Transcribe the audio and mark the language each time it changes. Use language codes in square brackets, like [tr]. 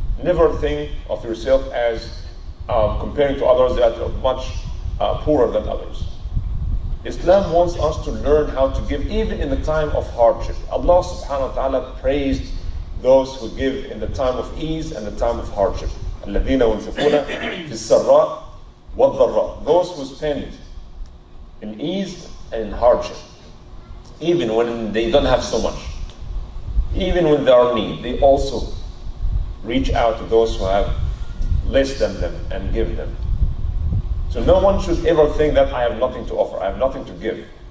[en] Never think of yourself as comparing to others that are much poorer than others. Islam wants us to learn how to give even in the time of hardship. Allah subhanahu wa ta'ala praised those who give in the time of ease and the time of hardship. [ar] الذين ينفقون في السراء والضراء. [en] Those who spend in ease and in hardship, even when they don't have so much, even when they are in need, they also reach out to those who have less than them and give them. So no one should ever think that I have nothing to offer, I have nothing to give.